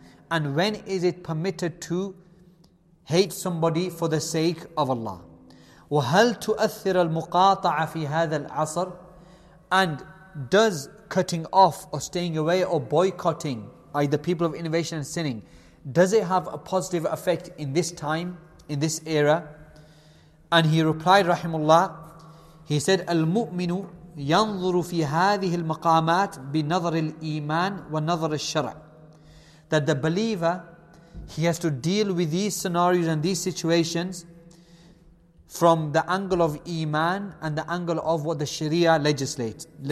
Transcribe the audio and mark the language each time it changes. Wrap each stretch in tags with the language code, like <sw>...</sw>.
<en>And when is it permitted to hate somebody for the sake of Allah?</en> <ar>وَهَلْ تُؤَثِّرَ الْمُقَاطَعَ فِي هَذَا الْعَصَرِ?</ar> <en>And does cutting off or staying away or boycotting, like the people of innovation and sinning, does it have a positive effect in this time, in this era? And he replied, rahimullah, he said,</en> <ar>المؤمن ينظر في هذه المقامات بنظر الإيمان ونظر الشرع.</ar> <en>That the believer, he has to deal with these scenarios and these situations from the angle of Iman and the angle of what the Sharia legislates.</en>